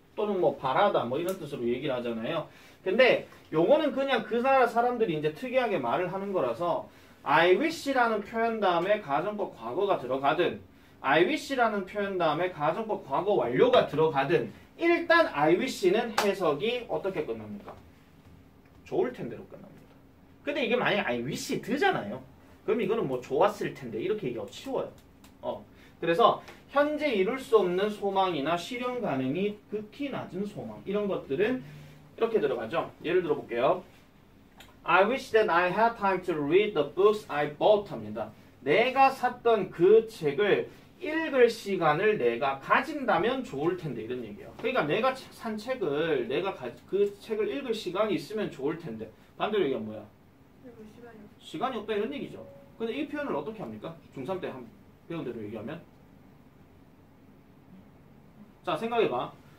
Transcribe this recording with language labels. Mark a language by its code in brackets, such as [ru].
[ko] 또는 뭐 바라다 뭐 이런 뜻으로 얘기를 하잖아요. 근데 요거는 그냥 그 나라 사람들이 이제 특이하게 말을 하는 거라서 I wish라는 표현 다음에 가정법 과거가 들어가든 I wish라는 표현 다음에 가정법 과거 완료가 들어가든 일단 I wish는 해석이 어떻게 끝납니까? 좋을 텐데로 끝납니다. 근데 이게 만약에 I wish드잖아요. 그럼 이거는 뭐 좋았을 텐데 이렇게 얘기하고 치워요. 그래서 현재 이룰 수 없는 소망이나 실현 가능이 극히 낮은 소망 이런 것들은 이렇게 들어가죠. 예를 들어볼게요. [en] I wish that I had time to read the books I bought 합니다. [ko] 내가 샀던 그 책을 읽을 시간을 내가 가진다면 좋을 텐데 이런 얘기예요. 그러니까 내가 산 책을 내가 그 책을 읽을 시간이 있으면 좋을 텐데 반대로 얘기하면 뭐야? 시간이 없다 이런 얘기죠. 근데 이 표현을 어떻게 합니까? 중3 때 한 배운 대로 얘기하면 자 생각해봐.